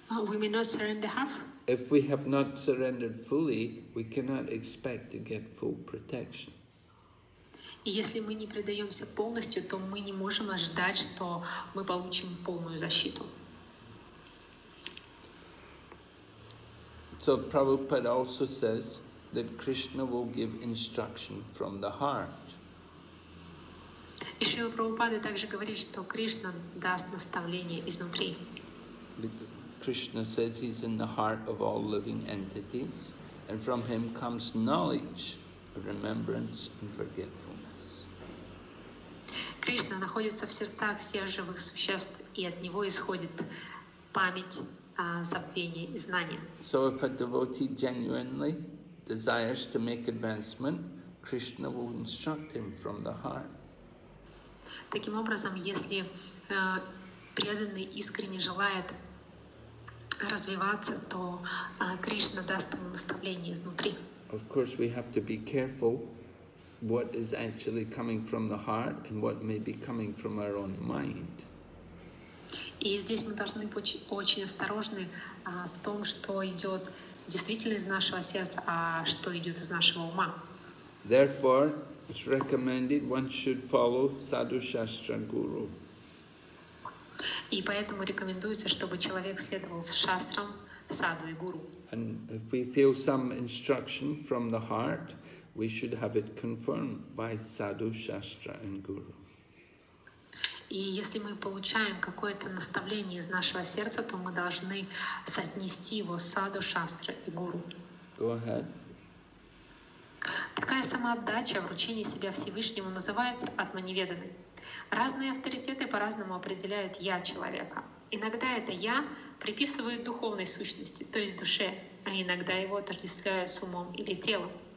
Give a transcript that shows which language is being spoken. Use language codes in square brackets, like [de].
[en] We may not surrender half? If we have not surrendered fully, we cannot expect to get full protection. [ru] И если мы не предаемся полностью, то мы не можем ожидать, что мы получим полную защиту. [en] So Prabhupada also says that Krishna will give instruction from the heart. [ru] И Шрила Прабхупада также говорит, что Кришна даст наставление изнутри. [en] Krishna says he's in the heart of all living entities. and from him comes knowledge, remembrance, and forgetfulness. [ru] Кришна находится в сердцах всех живых существ, и от него исходит память, забвение и знание. [en] So if a devotee genuinely desires to make advancement, Krishna will instruct him from the heart. [ru] Таким образом, если преданный искренне желает развиваться, то Кришна даст ему наставление изнутри. [en] Of course, we have to be careful what is actually coming from the heart and what may be coming from our own mind. [ru] И здесь мы должны быть очень осторожны в том, что идет действительно из нашего сердца, а что идет из нашего ума. [en] Therefore, it's recommended one should follow Sadhu Shastra Guru. [ru] И поэтому рекомендуется, чтобы человек следовал шастрам, саду и гуру. [en] And if we feel some instruction from the heart, we should have it confirmed by Sadhu Shastra and Guru. [ru] И если мы получаем какое-то наставление из нашего сердца, то мы должны соотнести его с саду, шастра и гуру. [en] Go ahead. [ru] Такая самоотдача, вручение себя Всевышнему называется атманиведаной. Разные авторитеты по-разному определяют «я» человека. Иногда это «я» приписывают духовной сущности, то есть душе, а иногда его отождествляют с умом или телом.